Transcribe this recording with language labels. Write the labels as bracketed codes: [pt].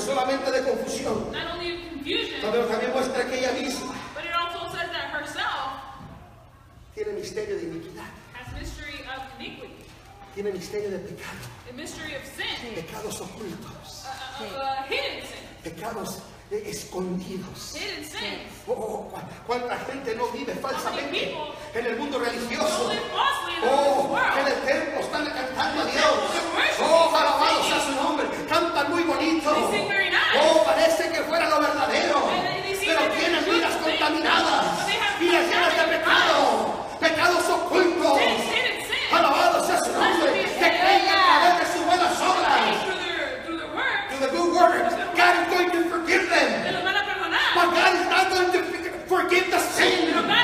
[es] solamente de confusión. [en] Not only of confusion. [es] No, pero también muestra que ella misma. [en] But it also says that herself. [es] Tiene misterio de iniquidad. [en] Has mystery of iniquity. [es] Tiene misterio de pecado. [en] A mystery of sin. [es] Pecados ocultos. [en] Hidden sins. [es] Pecados escondidos. [en] Hidden sins. [es] Oh, cuánta gente no vive falsamente en el mundo religioso. Oh, en el templo están cantando a Dios. Oh, alabado sea su nombre. Cantan muy bonito. Oh, parece que fuera lo verdadero. Pero tienen vidas contaminadas. Vidas llenas de pecado. Pecados ocultos. Alabado sea su nombre. Que creen a través de sus buenas obras. [en] Through the good works. God is going to forgive them. But God is not going to forgive the sin.